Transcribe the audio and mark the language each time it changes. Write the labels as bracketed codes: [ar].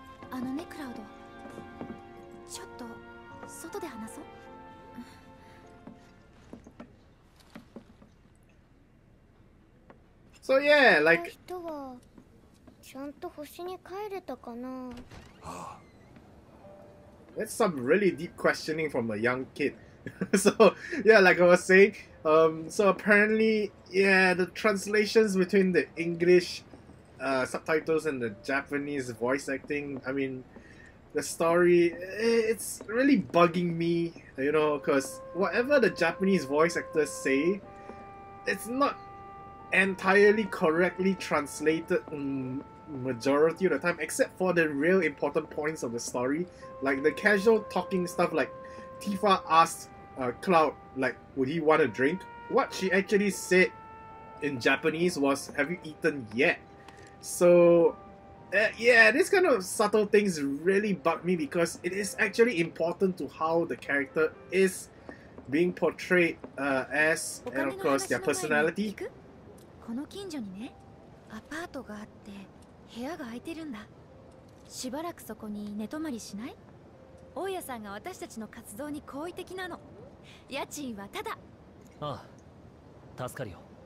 [ja] あのね、クラウド、ちょっと外で話そう。 [en] So yeah, like [ja] 人はちゃんと星に帰れたかな。 [en] That's some really deep questioning from a young kid. So yeah, like I was saying, so apparently, yeah, the translations between the Englishsubtitles and the Japanese voice acting, I mean, the story, it's really bugging me, you know, because whatever the Japanese voice actors say, it's not entirely correctly translated majority of the time, except for the real important points of the story, like the casual talking stuff, like Tifa asked Cloud, like, would he want a drink? What she actually said in Japanese was, have you eaten yet? So, yeah, this kind of subtle things really bug me because it is actually important to how the character is being portrayed as, and of course, their personality. [ja] この近所にね、アパートがあって、部屋が空いてるんだ。しばらくそこに寝泊まりしない？大家さんが私たちの活動に好意的なの。家賃はただ。ああ、助かるよ。